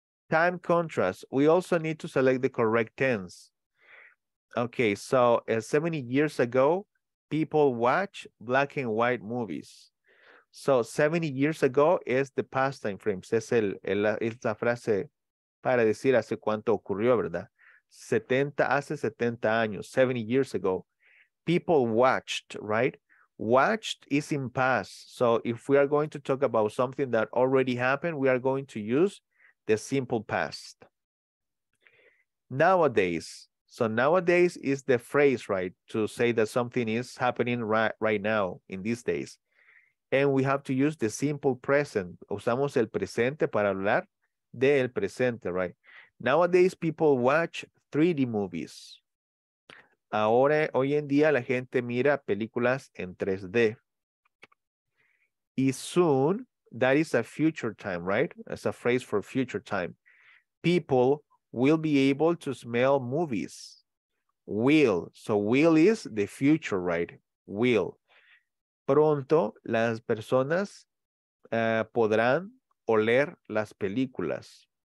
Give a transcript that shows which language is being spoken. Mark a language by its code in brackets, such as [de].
[en] Time contrast. We also need to select the correct tense. Okay, so 70 years ago, people watch black and white movies. So 70 years ago is the past time frame. [es] Es la frase para decir hace cuánto ocurrió, ¿verdad? Hace 70 años, [en] 70 years ago, people watched, right? Watched is in past. So if we are going to talk about something that already happened, we are going to use the simple past. Nowadays. So nowadays is the phrase, right? To say that something is happening right now, in these days. And we have to use the simple present. [es] Usamos el presente para hablar del presente, right? [en] Nowadays, people watch 3D movies. [es] Ahora, hoy en día, la gente mira películas en 3D. [en] Y soon, that is a future time, right? It's a phrase for future time. People will be able to smell movies. Will. So will is the future, right? Will. [es] Pronto, las personas podrán oler las películas.